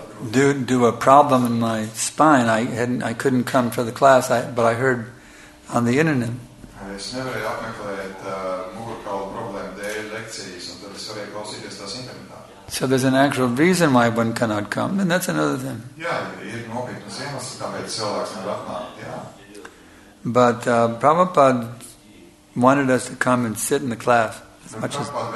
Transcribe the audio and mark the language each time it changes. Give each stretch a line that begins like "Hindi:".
English: Due to a problem in my spine, I couldn't come for the class, but I heard on the internet.
Latvian: Es nevarēju apmeklēt mugurkaula problēmu dēļ lekcijas, un tad es varēju klausīties tās internetā.
English: So there's an actual reason why one cannot come, and that's another thing.
Latvian: Jā, ir nopietnas iemesls, kāpēc cilvēks nevar atnākt, jā.
English: But Prabhupada wanted us to come and sit in the class. As much as...